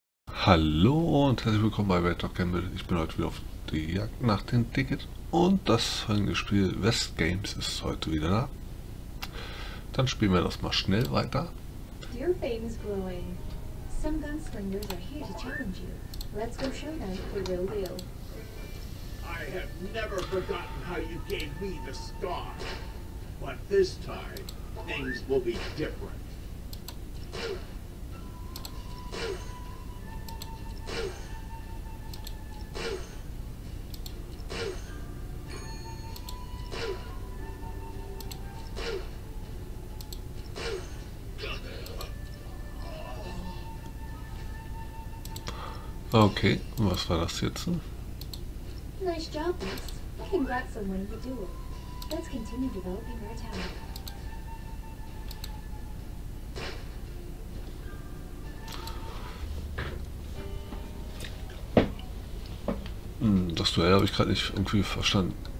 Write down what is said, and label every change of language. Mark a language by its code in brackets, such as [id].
[de] Hallo und herzlich willkommen bei Red Dog Gamble. Ich bin heute wieder auf die Jagd nach dem Ticket und das folgende Spiel West Games ist heute wieder da. Dann spielen wir das mal schnell weiter. [en] Dear fame is growing. Some gunslingers are here to challenge you. Let's go show them the real deal. I have never forgotten how you gave me the scar. But this time, things will be different. [de] Okay, was war das jetzt? [en] Nice job, Miss. Congrats on winning the duel. Let's continue developing our talent. [de] Das Duell habe ich gerade nicht irgendwie verstanden.